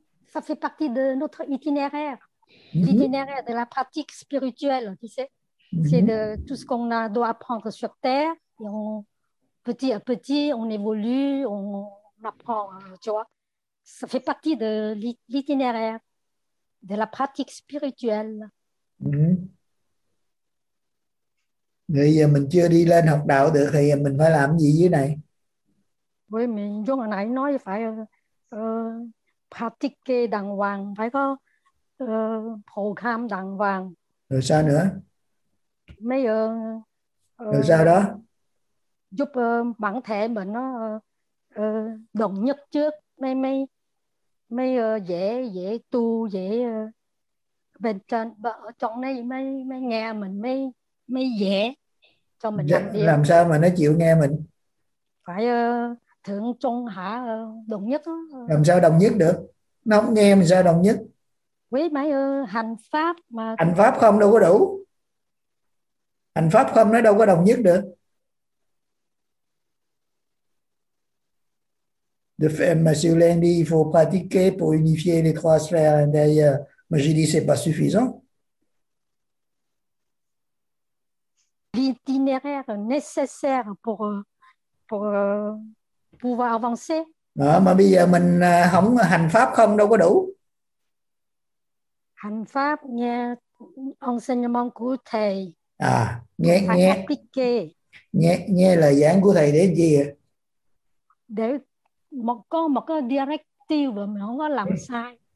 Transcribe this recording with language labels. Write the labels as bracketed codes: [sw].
[fr] Ça fait partie de notre itinéraire. Mm-hmm. L'itinéraire de la pratique spirituelle, tu sais. Mm-hmm. C'est de tout ce qu'on a doit apprendre sur terre et on petit à petit, on évolue, on apprend, tu vois. Ça fait partie de l'itinéraire de la pratique spirituelle. Mmh. [vi] Bây giờ mình chưa đi lên học đạo được thì mình phải làm gì dưới này? Với mình giống hồi nãy nói phải pratique đàng hoàng, phải có program đàng hoàng. Rồi sao nữa? Mấy giờ rồi sao đó? Giúp bản thể mình nó đồng nhất trước, mấy dễ tu, dễ bên trên ở trong này mới nghe mình, mới dễ cho mình làm việc. Làm sao mà nó chịu nghe mình? Phải thượng trung hạ đồng nhất. Làm sao đồng nhất được? Nó không nghe mình sao đồng nhất? Quý mấy hành pháp mà. Hành pháp không đâu có đủ. Hành pháp không nó đâu có đồng nhất được. [fr] De faire, monsieur Lendi, il faut pratiquer pour unifier les trois sphères intérieures. Moi, j'ai dit, c'est pas suffisant. L'itinéraire nécessaire pour pouvoir avancer. Non, mais [vi] bây giờ mình không hành pháp không đâu có đủ. Hành pháp nghe enseignement của thầy. À, nghe lời giảng của thầy để gì? Để một cái directive mà không có làm sai.